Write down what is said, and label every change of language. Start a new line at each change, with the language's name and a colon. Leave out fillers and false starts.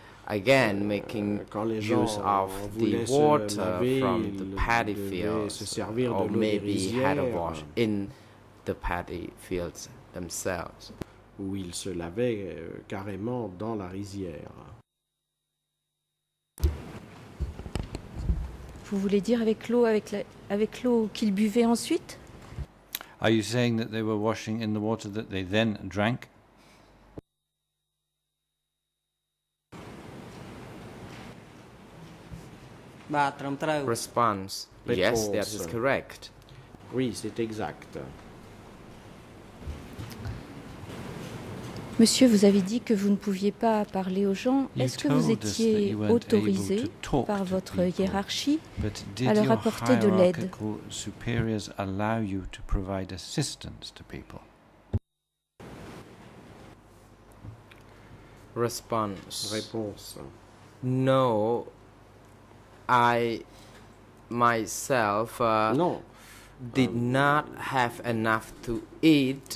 English: Again, making use of the water from the paddy fields, or maybe had a wash in the paddy fields themselves.
French: Où ils se lavaient carrément dans la rizière. Vous voulez dire avec l'eau, avec l'eau qu'ils buvaient ensuite?
English: Are you saying that they were washing in the water that they then drank? Response. Yes, that is correct.
French: Oui, c'est exact. Monsieur, vous avez dit que vous ne pouviez pas parler aux gens. Est-ce que vous étiez autorisé par votre hiérarchie à leur apporter de l'aide?
English: Superiors allow you to provide assistance to people. Réponse. No. I myself did not have enough to eat.